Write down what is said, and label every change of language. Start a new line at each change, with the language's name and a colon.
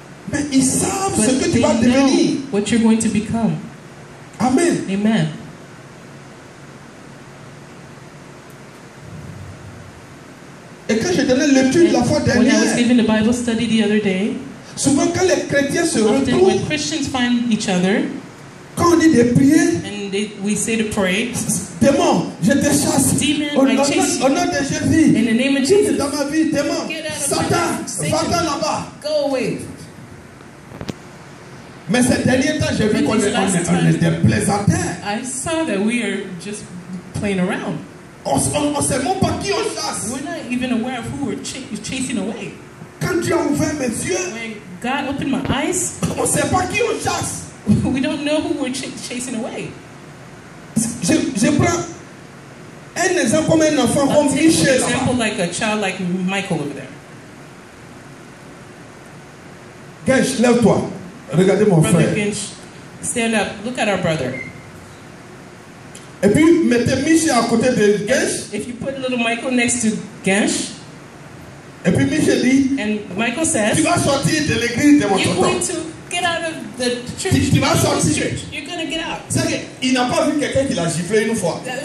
French: Mais ils savent
English: but
French: ce que tu vas devenir.
English: What you're going to become. Amen. Amen.
French: Et quand j'ai donné l'étude la fois dernière,
English: when I was giving the Bible study the other day,
French: souvent quand les chrétiens se retrouvent,
English: when Christians find each other,
French: quand on dit de prier,
English: and we say to pray,
French: démon, je te chasse,
English: demon,
French: au nom de Jésus,
English: in the name of Jesus,
French: dans ma vie, démon, Satan, va-t'en là-bas,
English: go away.
French: Mais ces derniers temps, j'ai vu qu'on est des plaisantins.
English: I saw that we are just playing around.
French: On sait même pas qui on chasse.
English: We're not even aware of who we're chasing away.
French: Quand Dieu a ouvert mes yeux,
English: when God opened my eyes,
French: on sait pas qui on chasse.
English: We don't know who we're chasing away.
French: Je prends un exemple comme un enfant comme Michel.
English: An example like a child like Michael over there.
French: Gensh, lève-toi. Regardez mon
English: brother
French: frère.
English: Brother Gensh, stand up. Look at our brother.
French: Et puis mettez Michel à côté de Gensh.
English: If you put little Michael next to Gensh.
French: Et puis Michel dit.
English: And Michael says.
French: Tu vas sortir de l'église de mon tonton.
English: You're going to get out of the church.
French: Tu vas sortir.
English: Church. You're going to get out.
French: C'est que il n'a pas vu quelqu'un qui l'a giflé une fois.